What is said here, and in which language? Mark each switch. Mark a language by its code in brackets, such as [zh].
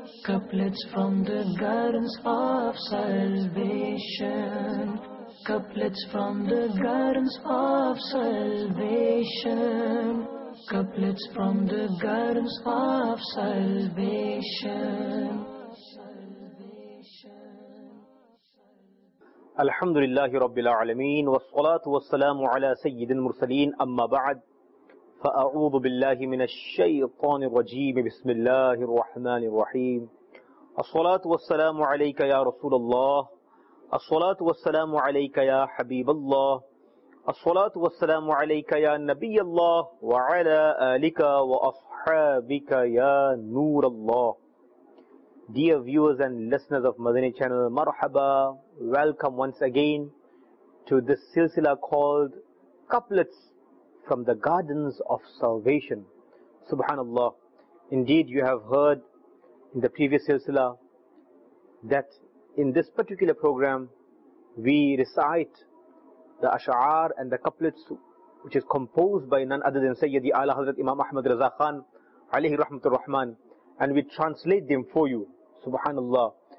[en] Couplets from the gardens of salvation. Couplets from the gardens of salvation. Couplets from the gardens of salvation. [ar] الحمد لله رب العالمين والصلاة والسلام على سيد المرسلين أما بعد فأعوذ بالله من الشيطان الرجيم بسم الله الرحمن الرحيم الصلاة والسلام عليك يا رسول الله الصلاة والسلام عليك يا حبيب الله الصلاة والسلام عليك يا نبي الله وعلى آلك وأصحابك يا نور الله [en] Dear viewers and listeners of Madani channel, marhaba, welcome once again to this silsila called Couplets from the Gardens of Salvation. Subhanallah, indeed you have heard in the previous silsila that in this particular program we recite the ash'ar and the couplets which is composed by none other than Sayyidi Ala Hazrat Imam Ahmad Raza Khan alayhi rahmatul rahman, and we translate them for you. Subhanallah.